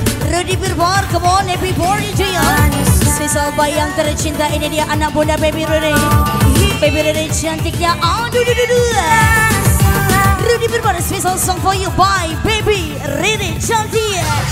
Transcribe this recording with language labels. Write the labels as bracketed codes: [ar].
[en] Rudy Birbar come on happy birthday to you. [id] Sisal my yang tercinta ini dia anak bunda baby Rene. Baby Rene cantiknya, aduh, aduh, aduh. [en] Rudy Birbar, special song for you by Baby Rene [id] cantik.